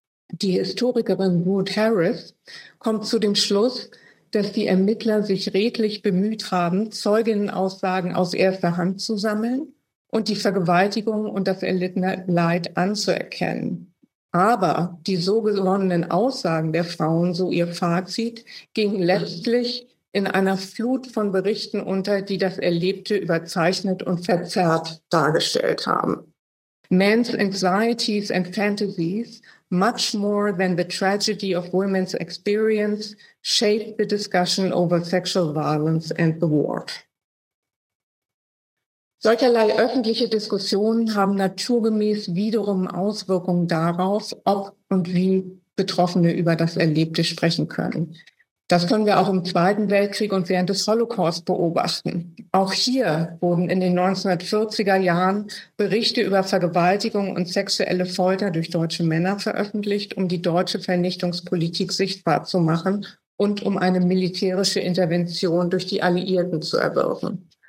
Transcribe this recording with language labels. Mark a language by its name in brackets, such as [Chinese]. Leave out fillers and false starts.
[German] Die Historikerin Ruth Harris kommt zu dem Schluss, dass die Ermittler sich redlich bemüht haben, Zeuginnenaussagen aus erster Hand zu sammeln und die Vergewaltigung und das erlittene Leid anzuerkennen. Aber die so gewonnenen Aussagen der Frauen, so ihr Fazit, gingen letztlich in einer Flut von Berichten unter, die das Erlebte überzeichnet und verzerrt dargestellt haben. [English] Men's anxieties and fantasies, much more than the tragedy of women's experience, shaped the discussion over sexual violence and the war. [German] Solcherlei öffentliche Diskussionen haben naturgemäß wiederum Auswirkungen darauf, ob und wie Betroffene über das Erlebte sprechen können. Das können wir auch im Zweiten Weltkrieg und während des Holocaust beobachten. Auch hier wurden in den 1940er Jahren Berichte über Vergewaltigung und sexuelle Folter durch deutsche Männer veröffentlicht, um die deutsche Vernichtungspolitik sichtbar zu machen und um eine militärische Intervention durch die Alliierten zu erwirken.